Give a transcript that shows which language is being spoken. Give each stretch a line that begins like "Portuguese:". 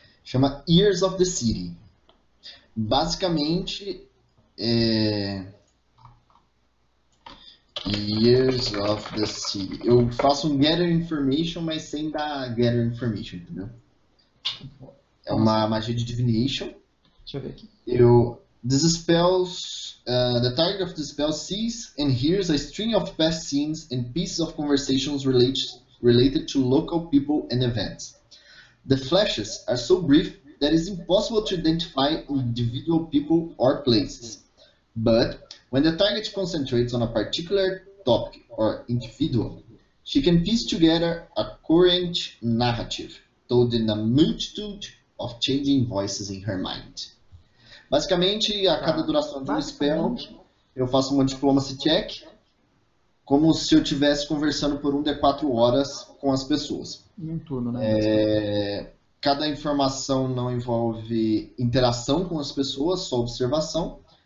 Portuguese: Chama Ears of the City. Basicamente, Years of the City. Eu faço um Gather Information, mas sem dar Gather Information, entendeu? É uma magia de Divination. Deixa eu ver aqui.
English: The target of the spell sees and hears a string of past scenes and pieces of conversations related to local people and events. The flashes are so brief that it's impossible to identify individual people or places. But when the target concentrates on a particular topic or individual, she can piece together a current narrative told in a multitude of changing voices in her mind.
Portuguese: Basicamente, a cada duração de um spell, eu faço uma diplomacy check como se eu estivesse conversando por 1d4 horas com as pessoas. Em um turno, né? Cada informação não envolve interação com as pessoas, só observação.